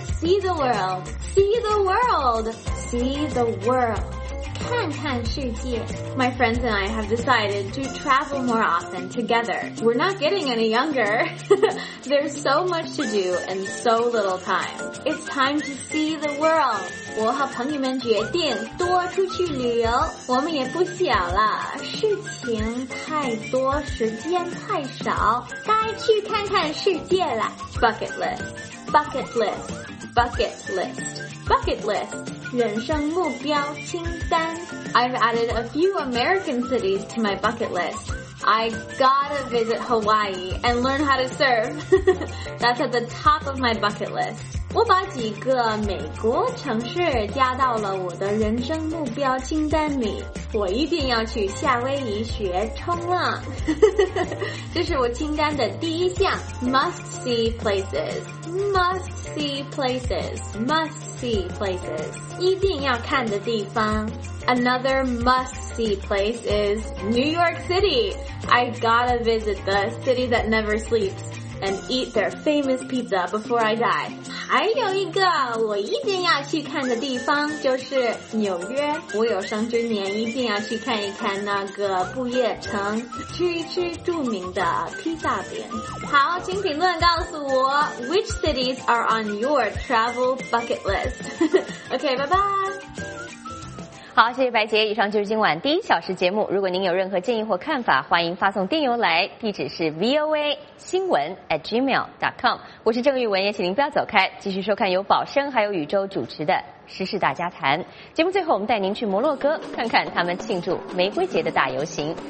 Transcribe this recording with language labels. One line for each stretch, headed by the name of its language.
English: See the world, see the world, see the world.
Chinese: 看看世界。
English: My friends and I have decided to travel more often together. We're not getting any younger. There's so much to do and so little time. It's time to see the world.
Chinese: 我和朋友们决定多出去旅游。我们也不小了，事情太多，时间太少，该去看看世界了。
English: Bucket list, bucket list, bucket list, bucket list.
Chinese: 人生目标清单。
English: I've added a few American cities to my bucket list. I gotta visit Hawaii and learn how to surf. That's at the top of my bucket list.
Chinese: 我把几个美国城市加到了我的人生目标清单里。我一定要去夏威夷学冲浪。这是我清单的第一项。
English: Must see places. Must see places. Must see places.
Chinese: 一定要看的地方。
English: Another must-see place is New York City. I gotta visit the city that never sleeps. and eat their famous pizza before I die.
Chinese: 还有一个我一定要去看的地方就是纽约。我有生之年一定要去看一看那个不夜城，吃一吃著名的披萨饼。好，请评论告诉我
English: which cities are on your travel bucket list. OK,
Chinese: 拜拜。好，谢谢白洁。以上就是今晚第一小时节目。如果您有任何建议或看法，欢迎发送电邮来，地址是 voa@gmail.com。我是郑玉文，也请您不要走开，继续收看由宝生还有宇宙主持的《时事大家谈》。节目最后，我们带您去摩洛哥看看他们庆祝玫瑰节的大游行。